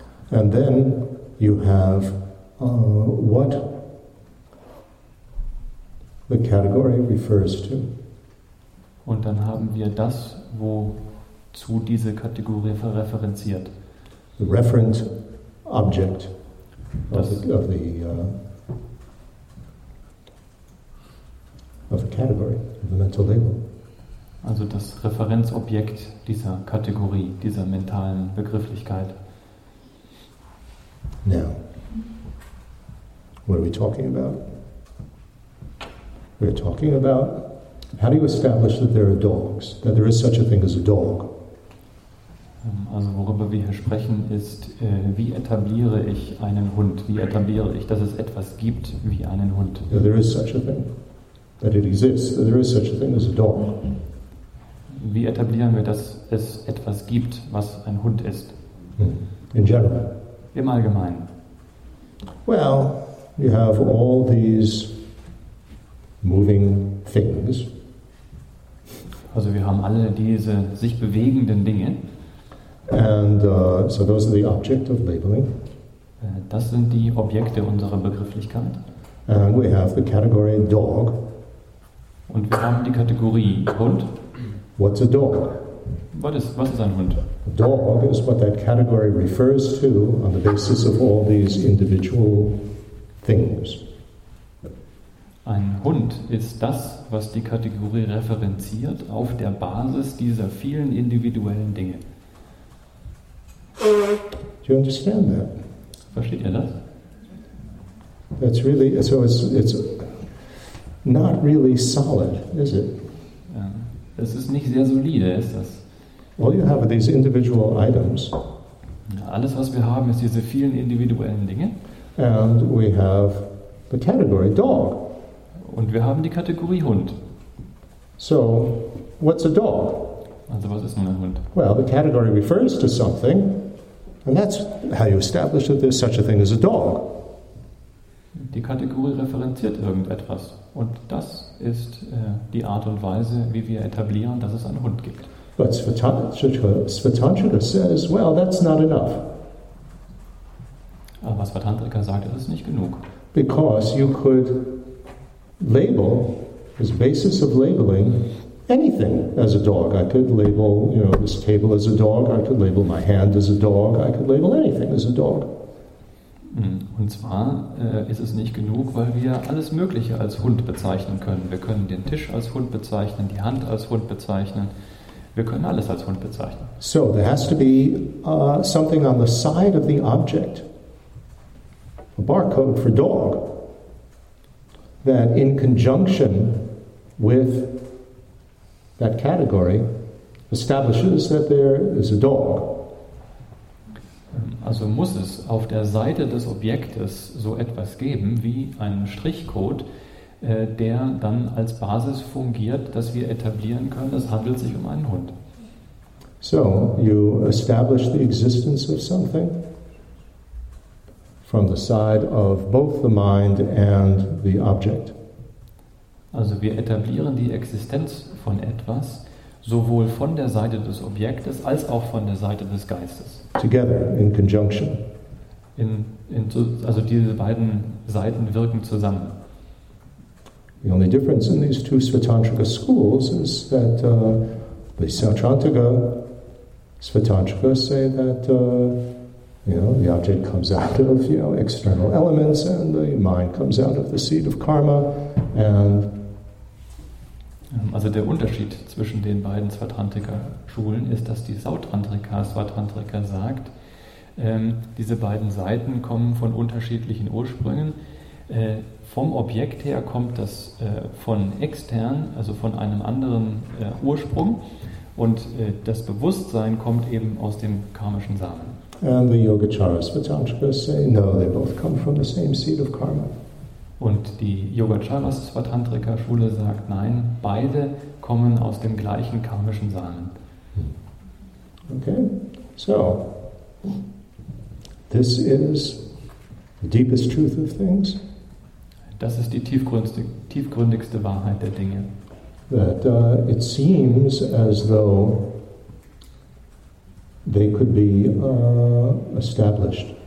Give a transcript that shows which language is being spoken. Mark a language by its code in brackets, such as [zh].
[en] And then you have what the category refers to. [de] Und dann haben wir das, wozu diese Kategorie referenziert. [en] The referent object of the category, of the mental label. [de] Also das Referenzobjekt dieser Kategorie, dieser mentalen Begrifflichkeit. [en] Now, what are we talking about? We're talking about, how do you establish that there are dogs, that there is such a thing as a dog? [de] Also worüber wir hier sprechen ist, wie etabliere ich einen Hund? Wie etabliere ich, dass es etwas gibt wie einen Hund? [en] That there is such a thing, that it exists, that there is such a thing as a dog. [de] Wie etablieren wir, dass es etwas gibt, was ein Hund ist? [en] In general. [de] Im Allgemeinen. [en] Well, you have all these moving things. [de] Also wir haben alle diese sich bewegenden Dinge. [en] And so those are the object of labeling. [de] Das sind die Objekte unserer Begrifflichkeit. [en] And we have the category dog. [de] Und wir haben die Kategorie Hund. [en] What's a dog? [de] Was ist ein Hund? [en] A dog is what that category refers to on the basis of all these individual things. [de] Ein Hund ist das, was die Kategorie referenziert auf der Basis dieser vielen individuellen Dinge. [en] Do you understand that? [de] Versteht ihr das? [en] That's really, so it's not really solid, is it? [de] Es ist nicht sehr solide, ist das? [en] All you have are these individual items. [de] Alles, was wir haben, ist diese vielen individuellen Dinge. [en] And we have the category dog. [de] Und wir haben die Kategorie Hund. [en] So, what's a dog? [de] Also, was ist nun ein Hund? [en] Well, the category refers to something, and that's how you establish that there's such a thing as a dog. [de] Die Kategorie referenziert irgendetwas. Und das ist die Art und Weise, wie wir etablieren, dass es einen Hund gibt. [en] But Svatantrika says, well, that's not enough. [de] Aber Svatantrika sagt, es ist nicht genug. [en] Because you could label, as basis of labeling, anything as a dog. I could label, you know, this table as a dog. I could label my hand as a dog. I could label anything as a dog. [de] Und zwar ist es nicht genug, weil wir alles Mögliche als Hund bezeichnen können. Wir können den Tisch als Hund bezeichnen, die Hand als Hund bezeichnen. Wir können alles als Hund bezeichnen. [en] So, there has to be something on the side of the object a barcode for dog, that in conjunction with that category establishes that there is a dog. [de] Also muss es auf der Seite des Objektes so etwas geben wie einen Strichcode, der dann als Basis fungiert, dass wir etablieren können, es handelt sich um einen Hund. [en] So, you establish the existence of something from the side of both the mind and the object. [de] Also wir etablieren die Existenz von etwas sowohl von der Seite des Objektes als auch von der Seite des Geistes. [en] Together, in conjunction. [de] Also diese beiden Seiten wirken zusammen. [en] The only difference in these two Svatantrika schools is that the Svatantrika say that the object comes out of external elements and the mind comes out of the seed of karma and... [de] Also der Unterschied zwischen den beiden Svatantrika-Schulen ist, dass die Svatantrika sagt, diese beiden Seiten kommen von unterschiedlichen Ursprüngen. Vom Objekt her kommt das von extern, also von einem anderen Ursprung, und das Bewusstsein kommt eben aus dem karmischen Samen. [en] And the Yogacara Svatantrika say, no, they both come from the same seed of karma. [de] Und die Yogacara Svatantrika Schule sagt, nein, beide kommen aus dem gleichen karmischen Samen. [en] Okay, so, this is the deepest truth of things. [de] Das ist die tiefgründigste Wahrheit der Dinge. [en] That it seems as though they could be established.